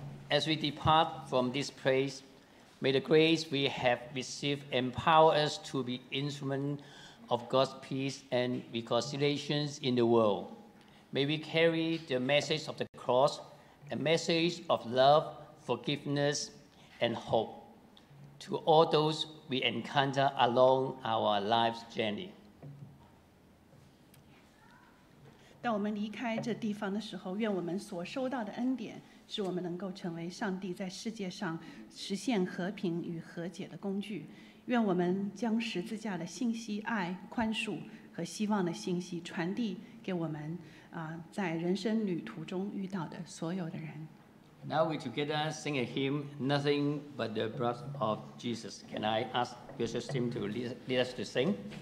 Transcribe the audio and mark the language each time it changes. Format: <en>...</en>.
<en>As we depart from this place, may the grace we have received empower us to be instruments of God's peace and reconciliation in the world. May we carry the message of the cross, a message of love, forgiveness, and hope to all those we encounter along our life's journey.</en> <zh>当我们离开这地方的时候，愿我们所收到的恩典使我们能够成为上帝在世界上实现和平与和解的工具。愿我们将十字架的信息、爱、宽恕和希望的信息传递给我们在人生旅途中遇到的所有的人。</zh> <en>Now we together sing a hymn, "Nothing but the blood of Jesus." Can I ask your system to lead us to sing?</en>